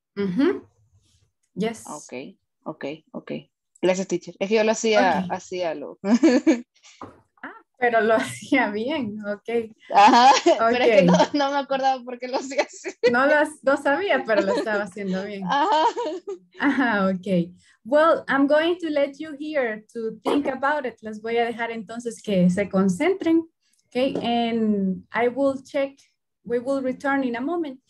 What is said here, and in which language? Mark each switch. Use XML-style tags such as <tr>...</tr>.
<en>Uh-huh. Yes.</en> <es>Ok, ok, ok. Gracias, teacher. Es que yo lo hacía, okay. Hacía lo... Ah, pero lo hacía bien, ok. Ajá, okay. Pero es que no, no me acordaba por qué lo hacía así. No, lo, no sabía, pero lo estaba haciendo bien. Ajá. Ajá, ok.</es> <en>Well, I'm going to let you here to think about it.</en> <es>Les voy a dejar entonces que se concentren, okay?</es> <en>And I will check, we will return in a moment.</en>